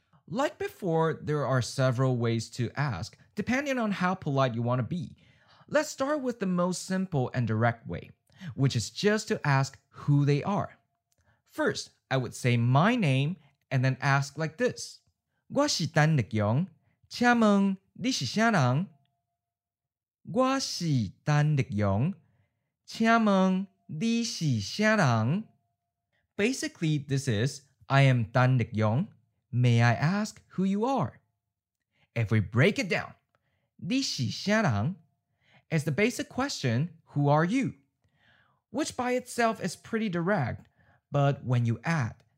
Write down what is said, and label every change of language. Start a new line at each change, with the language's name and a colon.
English: Like before, there are several ways to ask, depending on how polite you want to be. Let's start with the most simple and direct way, which is just to ask who they are. First, I would say my name and then ask like this.
Wu Chinese: 我是丹力勇，请问你是啥人？我是丹力勇，请问你是啥人？
English: Basically, this is, I am Dan Lik Yong. May I ask who you are? If we break it down,
Wu Chinese: 你是啥人?
English: It's the basic question, who are you? Which by itself is pretty direct, but when you add